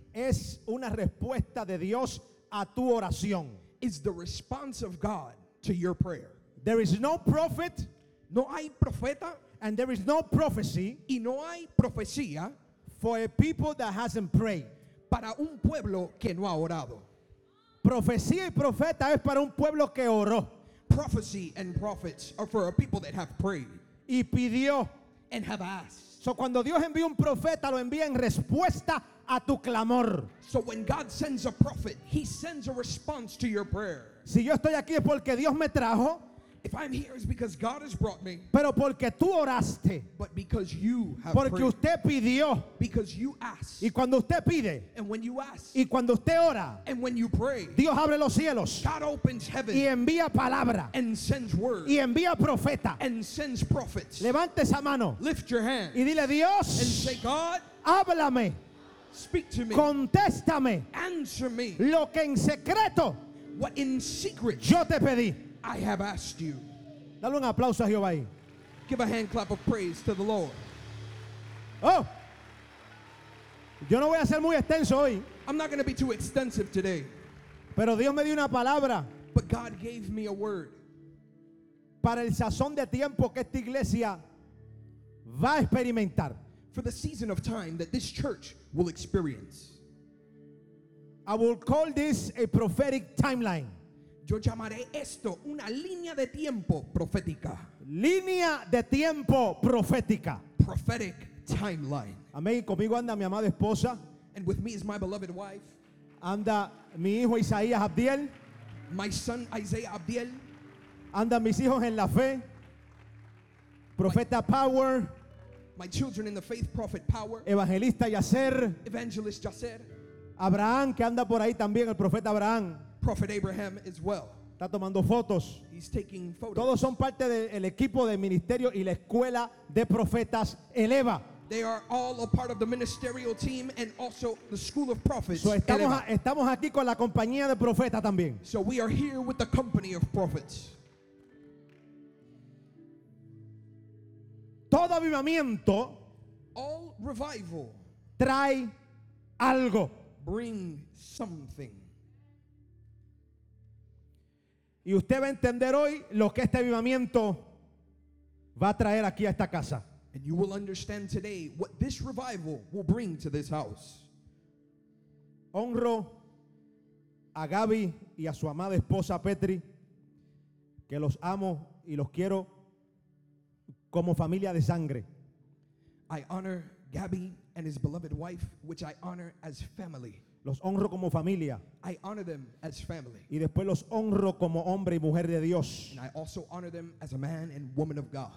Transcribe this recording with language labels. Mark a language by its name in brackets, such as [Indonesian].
[Spanish] Es una respuesta de Dios a tu oración. [English] Is the response of God to your prayer. There is no prophet. [Spanish] No hay profeta. [English] And there is no prophecy. [Spanish] Y no hay profecía. [English] For a people that hasn't prayed. [Spanish] Para un pueblo que no ha orado. Profecía y profeta es para un pueblo que oró. [English] Prophecy and prophets are for a people that have prayed. [Spanish] Y pidió. [English] And have asked. [Spanish] So cuando Dios envía un profeta, lo envía en respuesta a tu clamor. [English] So when God sends a prophet, he sends a response to your prayer. [Spanish] Si yo estoy aquí es porque Dios me trajo. [English] If I'm here, it's because God has brought me. [Spanish] Pero porque tú oraste. [English] But because you have [Spanish] porque [English] prayed. [Spanish] Usted pidió. [English] Because you asked. [Spanish] Y cuando usted pide. [English] And when you ask. [Spanish] Y cuando usted ora. [English] And when you pray. [Spanish] Dios abre los cielos. [English] God opens heaven. [Spanish] Y envía palabra. [English] And sends word. [Spanish] Y envía profeta. [English] And sends prophets. [Spanish] Levante esa mano. [English] Lift your hand. [Spanish] Y dile Dios. [English] And say God. [Spanish] Háblame. [English] Speak to me. [Spanish] Contéstame. [English] Answer me. [Spanish] Lo que en secreto. [English] What in secret. [Spanish] Yo te pedí. [English] I have asked you. [Spanish] Dale un aplauso a Jehová ahí. [English] Give a hand clap of praise to the Lord. Oh. [Spanish] Yo no voy a ser muy extenso hoy. [English] I'm not going to be too extensive today. [Spanish] Pero Dios me dio una palabra. [English] But God gave me a word. [Spanish] Para el sazón de tiempo que esta iglesia va a experimentar. [English] For the season of time that this church will experience. I will call this a prophetic timeline. [Spanish] Yo llamaré esto una línea de tiempo profética. Línea de tiempo profética. [English] Prophetic timeline. [Spanish] Amén. Conmigo anda mi amada esposa. [English] And with me is my beloved wife. [Spanish] Anda mi hijo Isaías Abdiel. [English] My son Isaiah Abdiel. [Spanish] Anda mis hijos en la fe. Profeta Power. [English] My children in the faith, prophet Power. [Spanish] Evangelista Yasser. [English] Evangelist Yasser. [Spanish] Abraham, que anda por ahí también, el profeta Abraham. [English] Prophet Abraham as well. [Spanish] Está tomando fotos. [English] He's taking photos. [Spanish] Todos son parte del equipo de ministerio y la escuela de profetas Eleva. [English] They are all a part of the ministerial team and also the school of prophets. [Spanish] So estamos aquí con la compañía de profetas también. [English] So we are here with the company of prophets. [Spanish] Todo avivamiento [English] all revival [Spanish] trae algo. [English] Bring something. [Spanish] Y usted va a entender hoy lo que este avivamiento va a traer aquí a esta casa. [English] And you will understand today what this revival will bring to this house. [Spanish] Honro a Gaby y a su amada esposa Petri, que los amo y los quiero como familia de sangre. [English] I honor Gabby and his beloved wife, which I honor as family. [Spanish] Los honro como familia. [English] I honor them as family. [Spanish] Y después los honro como hombre y mujer de Dios. [English] And I also honor them as a man and woman of God.